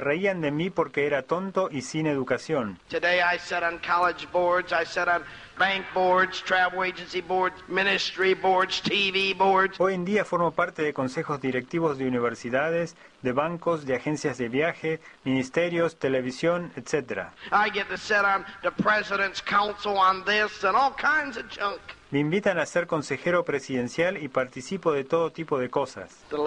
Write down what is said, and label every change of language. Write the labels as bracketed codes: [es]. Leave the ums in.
[es] reían de mí porque era tonto y sin educación. [en] Today I sit on college boards. I sit on bank boards, travel agency boards, ministry boards, TV boards. [es] Hoy en día formo parte de consejos directivos de universidades, de bancos, de agencias de viaje, ministerios, televisión, etc. [en] I get to sit on the president's council on this and all kinds of junk. [es] Me invitan a ser consejero presidencial y participo de todo tipo de cosas.